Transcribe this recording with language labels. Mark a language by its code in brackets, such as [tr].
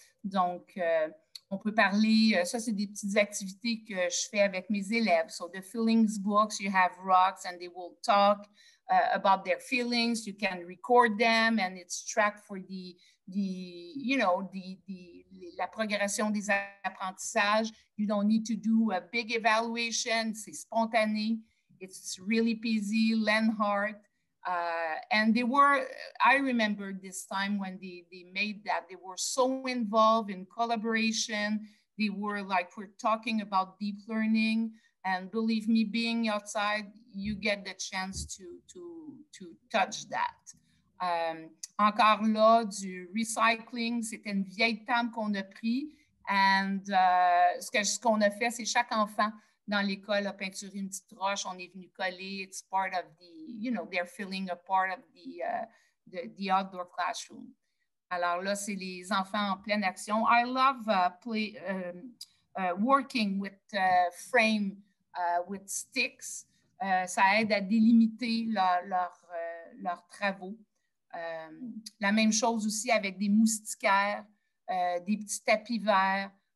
[fr] Donc, on peut parler, ça, c'est des petites activités que je fais avec mes élèves. [en] So, the feelings books, you have rocks and they will talk about their feelings. You can record them and it's tracked for [fr] la progression des apprentissages. [en] You don't need to do a big evaluation. [fr] C'est spontané. [en] It's really busy, learn hard. And they were, I remember this time when they made that, they were so involved in collaboration. They were like, we're talking about deep learning. And believe me, being outside, you get the chance to touch that. [fr] Encore là, du recycling, c'était une vieille table qu'on a pris. And ce qu'on a fait, c'est chaque enfant dans l'école a peinturé une petite roche, on est venu coller. [en] It's part of the, you know, they're feeling a part of the outdoor classroom. [fr] Alors là, c'est les enfants en pleine action. [en] I love working with frame with sticks. [fr] Ça aide à délimiter leur travaux. La même chose aussi avec des moustiquaires, des petits tapis verts.